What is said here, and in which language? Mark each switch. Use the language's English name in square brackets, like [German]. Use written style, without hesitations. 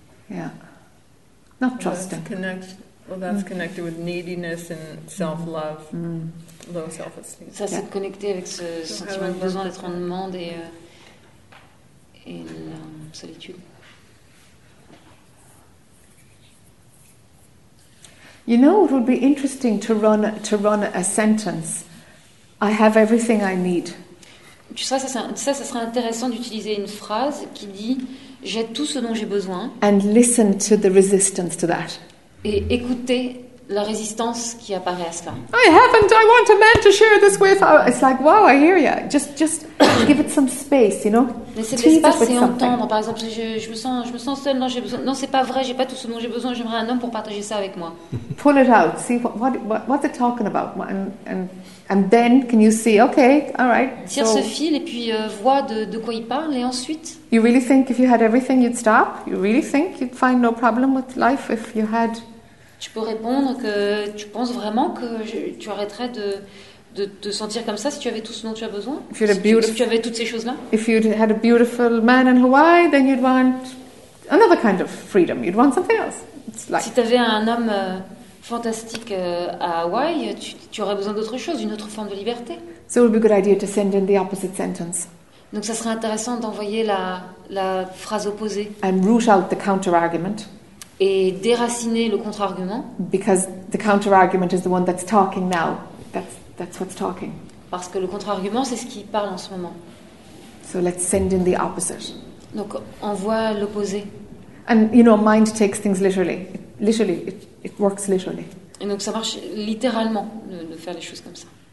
[English] Yeah. Not trusting. That's connected with neediness and self-love. Mm. Low self-esteem. [French] Ça, c'est connecté avec ce sentiment de besoin d'être en demande et la solitude. [English] You know, it would be interesting to run a sentence. I have everything I need. [French] Tu sais, ça serait intéressant d'utiliser une phrase qui dit j'ai tout ce dont j'ai besoin. [English] And listen to the resistance to that. [French] Et écouter la résistance qui apparaît à cela. [English] I haven't. I want a man to share this with. It's like, wow, I hear you. Just give it some space, you know. [French] Laissez l'espace et entendre. Par exemple, je me sens seule. Non, j'ai besoin. Non, c'est pas vrai. J'ai pas tout ce dont j'ai besoin. J'aimerais un homme pour partager ça avec moi. [English] Pull it out. See what they're talking about. And then can you see? Okay, all right. [French] Tire ce fil et puis vois de quoi il parle. Et ensuite. [English] You really think if you had everything, you'd stop? You really think you'd find no problem with life if you had? [French] Tu peux répondre que tu penses vraiment que tu arrêterais de te sentir comme ça si tu avais tout ce dont tu as besoin? Si tu avais toutes ces choses-là? [English] If you had a beautiful man in Hawaii, then you'd want another kind of freedom. You'd want something else. It's like... [French] Si tu avais un homme fantastique à Hawaii, tu aurais besoin d'autre chose, d'une autre forme de liberté. [English] So it would be a good idea to send in the opposite sentence. [French] Donc ça serait intéressant d'envoyer la phrase opposée. [English] And root out the counter-argument. [French] Et déraciner le contre-argument. [English] Because the counter-argument is the one that's talking now. That's what's talking. [French] Parce que le contre-argument, c'est ce qui parle en ce moment. [English] So let's send in the opposite. [French] Donc envoie l'opposé. [English] And you know, mind takes things literally. Literally, it works literally. [French] Et donc ça marche littéralement de faire les choses comme ça.